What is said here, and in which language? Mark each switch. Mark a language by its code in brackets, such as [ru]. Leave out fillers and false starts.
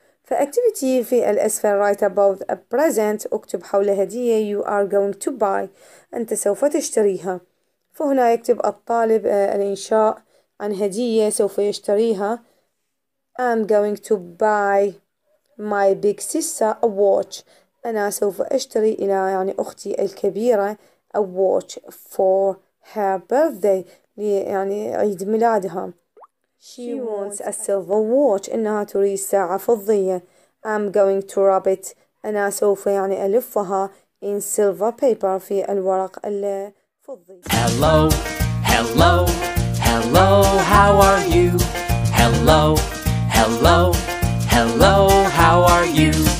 [ar] فأكتيفيتي في الأسفل [en] write about a present [ar] اكتب حول هدية [en] you are going to buy [ar] أنت سوف تشتريها. فهنا يكتب الطالب الإنشاء عن هدية سوف يشتريها. [en] I'm going to buy my big sister a watch. [ar] أنا سوف أشتري إلى يعني أختي الكبيرة [en] a watch for her birthday [ar] لي يعني عيد ميلادها. [en] She wants a silver watch. [ar] إنها تريد ساعة فضية. [en] I'm going to wrap it. [ar] أنا سوف يعني ألفها [en] in silver paper [ar] في الورق الفضي. [en] Hello, hello, hello, how are you? Hello, hello, hello, how are you?